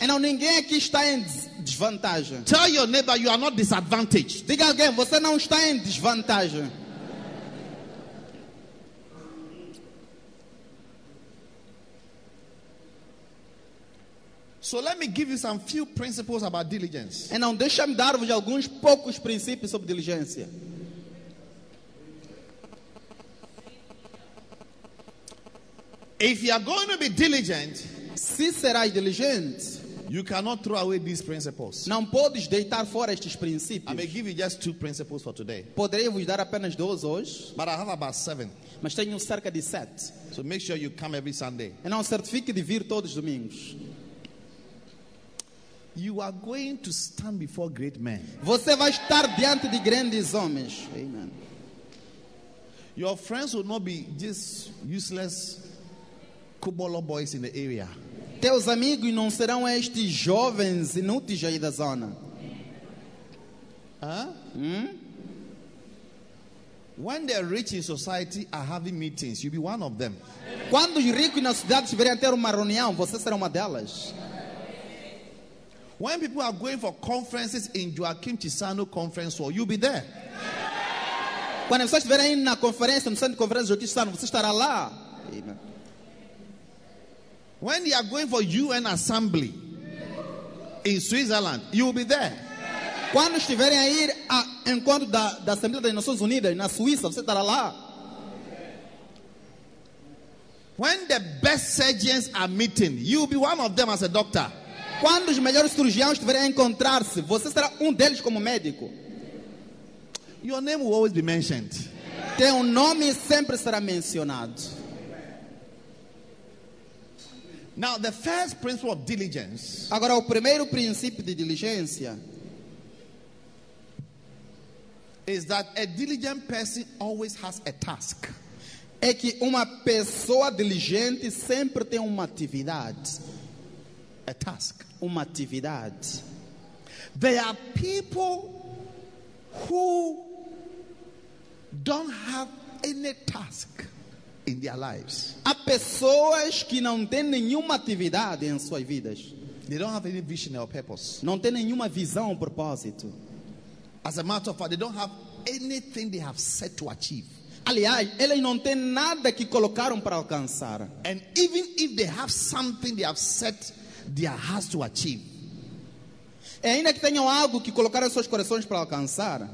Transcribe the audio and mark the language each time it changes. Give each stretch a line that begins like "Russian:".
Portuguese: E não, ninguém aqui está em desvantagem.
English: Tell your neighbor you are not disadvantaged.
Portuguese: Diga alguém, você não está em desvantagem.
English: So let me give you some few principles about diligence.
Portuguese: E não, deixa-me dar-vos alguns poucos princípios sobre diligência.
English: If you are going to be diligent,
Portuguese: se serás diligente,
English: you cannot throw away these principles.
Portuguese: Não podes deitar fora estes princípios.
English: I may give you just two principles for today.
Portuguese: Poderei vos dar apenas dois hoje.
English: But I have about seven.
Portuguese: Mas tenho cerca de sete.
English: So make sure you come every Sunday.
Portuguese: E não, certifique de vir todos os domingos.
English: You are going to stand before great men.
Portuguese: Você vai estar diante de grandes homens. Amen.
English: Your friends will not be just useless kubolo boys in the area.
Portuguese: Teus amigos não serão estes jovens inúteis aí da zona.
English: When the rich in society are having meetings, you'll be one of them.
Portuguese: Quando os ricos na cidade estiverem a ter uma reunião, você será uma delas.
English: When people are going for conferences in Joaquim Chissano Conference Hall, you'll be there.
Portuguese: Quando vocês estiverem na conferência, no centro de conferência de Joaquim Chissano, você estará lá.
English: Amen. When you are going for UN Assembly in Switzerland, you'll be there.
Portuguese: Quando estiverem a ir a encontro da Assembleia das Nações Unidas na Suíça, você estará lá.
English: When the best surgeons are meeting, you'll be one of them as a doctor.
Portuguese: Quando os melhores cirurgiões estiverem a encontrar-se, você será deles como médico.
English: Your name will always be mentioned.
Portuguese: Teu nome sempre será mencionado.
English: Now, the first principle of diligence.
Portuguese: Agora, o primeiro princípio de diligência
English: is that a diligent person always has a task.
Portuguese: É que uma pessoa diligente sempre tem uma atividade.
English: A task.
Portuguese: Uma atividade.
English: There are people who don't have any task in their lives.
Portuguese: Há pessoas que não têm nenhuma atividade em suas vidas.
English: They don't have any vision or purpose.
Portuguese: Não têm nenhuma visão ou propósito.
English: As a matter of fact, they don't have anything they have set to achieve.
Portuguese: Aliás, eles não têm nada que colocaram para alcançar.
English: And even if they have something they have set their hearts to achieve.
Portuguese: E ainda que tenham algo que colocaram seus corações para alcançar,